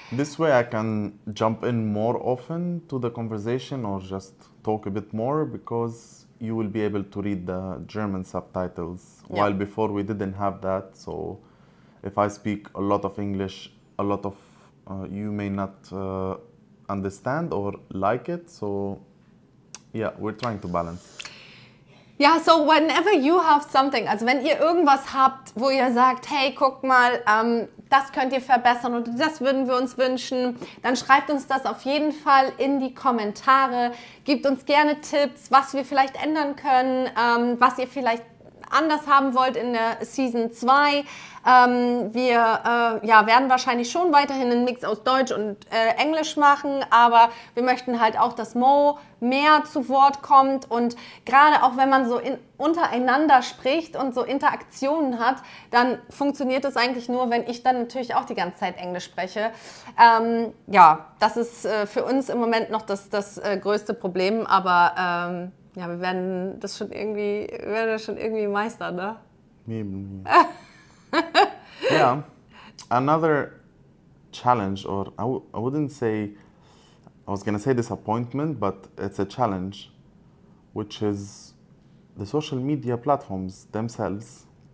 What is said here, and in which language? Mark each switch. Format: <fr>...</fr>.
<en>This way I can jump in more often to the conversation or just talk a bit more, because you will be able to read the German subtitles. Yeah. While before we didn't have that. So if I speak a lot of English, a lot of you may not understand or like it. So, yeah, we're trying to balance. Yeah, so whenever you have something,</en> <de>also wenn ihr irgendwas habt, wo ihr sagt, hey, guck mal, das könnt ihr verbessern oder das würden wir uns wünschen, dann schreibt uns das auf jeden Fall in die Kommentare. Gebt uns gerne Tipps, was wir vielleicht ändern können, was ihr vielleicht anders haben wollt in der Season 2. Wir werden wahrscheinlich schon weiterhin einen Mix aus Deutsch und Englisch machen, aber wir möchten halt auch, dass Mo mehr zu Wort kommt, und gerade auch wenn man so untereinander spricht und so Interaktionen hat, dann funktioniert das eigentlich nur, wenn ich dann natürlich auch die ganze Zeit Englisch spreche. Das ist für uns im Moment noch das größte Problem, aber wir werden das schon irgendwie, meistern, ne?</de> <en>Yeah, another challenge, or I wouldn't say, I was gonna say disappointment, but it's a challenge, which is the social media platforms themselves.</en>